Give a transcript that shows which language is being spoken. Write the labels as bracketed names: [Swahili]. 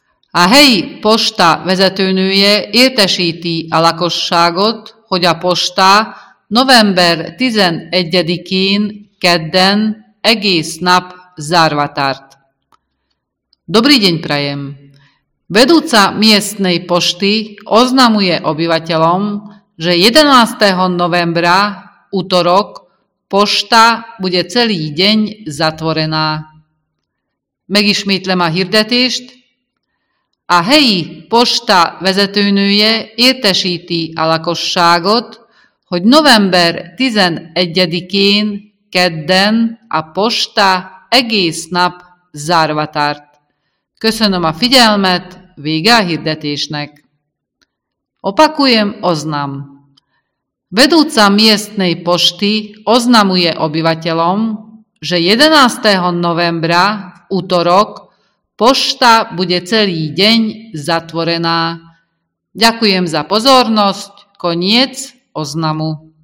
[Hungarian] A helyi posta vezetőnője értesíti a lakosságot, hogy a posta november 11-én kedden egész nap zárva tart. [Slovak] Dobrý deň prajem! Vedúca miestnej pošty oznamuje obyvateľom, že 11. novembra, utorok, pošta bude celý deň zatvorená. [Hungarian] Megismétlem a hirdetést. A helyi posta vezetőnője értesíti a lakosságot, hogy november 11-én kedden a posta egész nap zárva tart. Köszönöm a figyelmet, vége a hirdetésnek. [Slovak] Opakujem oznam. Vedúca miestnej pošty oznamuje obyvateľom, že 11. novembra utorok, pošta bude celý deň zatvorená. Ďakujem za pozornosť, koniec oznamu.